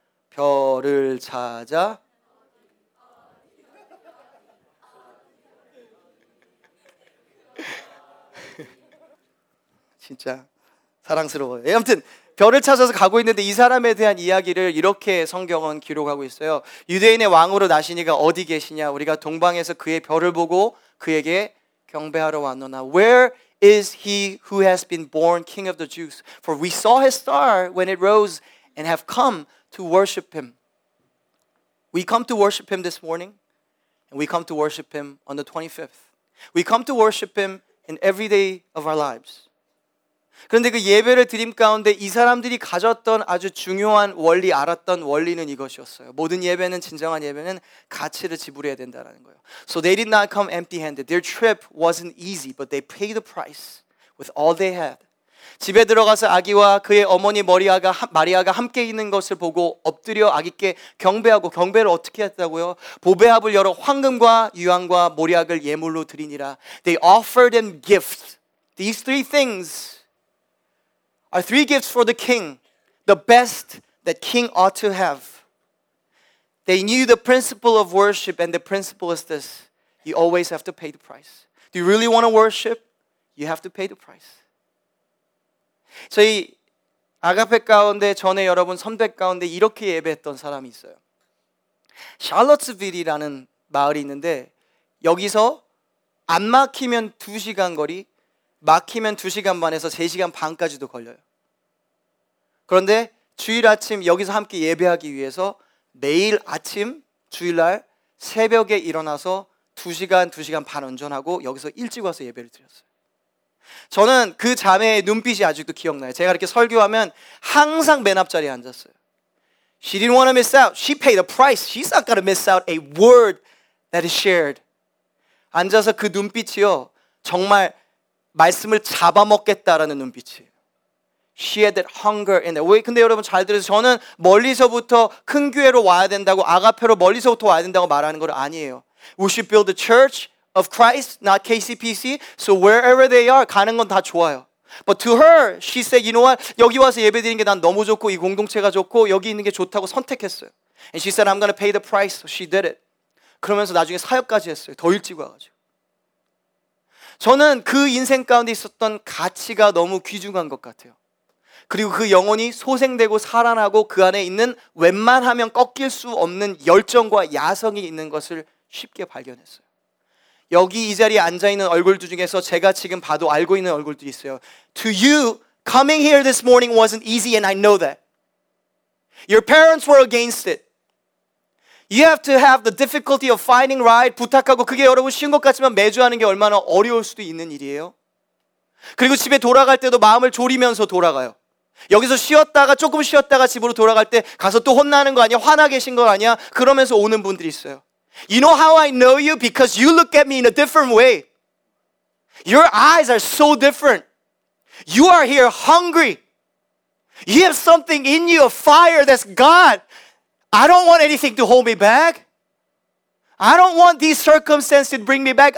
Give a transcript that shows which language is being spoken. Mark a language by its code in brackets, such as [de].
[ko] 별을 찾아 진짜 사랑스러워요. 아무튼 별을 찾아서 가고 있는데, 이 사람에 대한 이야기를 이렇게 성경은 기록하고 있어요. 유대인의 왕으로 나시니가 어디 계시냐? 우리가 동방에서 그의 별을 보고 그에게 경배하러 왔노나. [en] Where is he who has been born king of the Jews? For we saw his star when it rose and have come to worship him. We come to worship him this morning, and we come to worship him on the 25th. We come to worship him in every day of our lives. [ko] 그런데 그 예배를 드림 가운데 이 사람들이 가졌던 아주 중요한 원리, 알았던 원리는 이것이었어요. 모든 예배는, 진정한 예배는 가치를 지불해야 된다는 거예요. [en] So they did not come empty-handed. Their trip wasn't easy, but they paid the price with all they had. [ko] 집에 들어가서 아기와 그의 어머니 마리아가 함께 있는 것을 보고 엎드려 아기께 경배하고, 경배를 어떻게 했다고요? 보배합을 열어 황금과 유황과 몰약을 예물로 드리니라. [en] They offered him gifts. These three things are three gifts for the king, the best that king ought to have. They knew the principle of worship, and the principle is this: you always have to pay the price. Do you really want to worship? You have to pay the price. [ko] 저희 아가페 가운데, 전에 여러분 선배 가운데 이렇게 예배했던 사람이 있어요. 샬롯스빌이라는 마을이 있는데 여기서 안 막히면 2시간 거리, 막히면 2시간 반에서 3시간 반까지도 걸려요. 그런데 주일 아침 여기서 함께 예배하기 위해서 매일 아침 주일날 새벽에 일어나서 2시간, 2시간 반 운전하고 여기서 일찍 와서 예배를 드렸어요. 저는 그 자매의 눈빛이 아직도 기억나요. 제가 이렇게 설교하면 항상 맨 앞자리에 앉았어요. [en] She didn't want to miss out. She paid the price. She's not going to miss out a word that is shared. [ko] 앉아서 그 눈빛이요, 정말 말씀을 잡아먹겠다라는 눈빛이에요. [en] She had that hunger in there. [ko] 왜? 근데 여러분 잘 들으세요. 저는 멀리서부터 큰 교회로 와야 된다고, 아가페로 멀리서부터 와야 된다고 말하는 건 아니에요. [en] We should build a church of Christ, not KCPC. So wherever they are, [ko] 가는 건 다 좋아요. [en] But to her, she said, you know what? [ko] 여기 와서 예배 드리는 게 난 너무 좋고, 이 공동체가 좋고, 여기 있는 게 좋다고 선택했어요. [en] And she said, I'm going to pay the price. So she did it. [ko] 그러면서 나중에 사역까지 했어요. 더 일찍 와가지고. 저는 그 인생 가운데 있었던 가치가 너무 귀중한 것 같아요. 그리고 그 영혼이 소생되고 살아나고 그 안에 있는 웬만하면 꺾일 수 없는 열정과 야성이 있는 것을 쉽게 발견했어요. 여기 이 자리에 앉아있는 얼굴들 중에서 제가 지금 봐도 알고 있는 얼굴들이 있어요. [en] To you, coming here this morning wasn't easy, and I know that. Your parents were against it. You have to have the difficulty of finding ride, [ko] 부탁하고, 그게 여러분 쉬운 것 같지만 매주 하는 게 얼마나 어려울 수도 있는 일이에요. 그리고 집에 돌아갈 때도 마음을 졸이면서 돌아가요. 여기서 쉬었다가, 조금 쉬었다가 집으로 돌아갈 때 가서 또 혼나는 거 아니야? 화나 계신 거 아니야? 그러면서 오는 분들이 있어요. [en] You know how I know you? Because you look at me in a different way. Your eyes are so different. You are here hungry. You have something in you, a fire that's God. I don't want anything to hold me back. I don't want these circumstances to bring me back.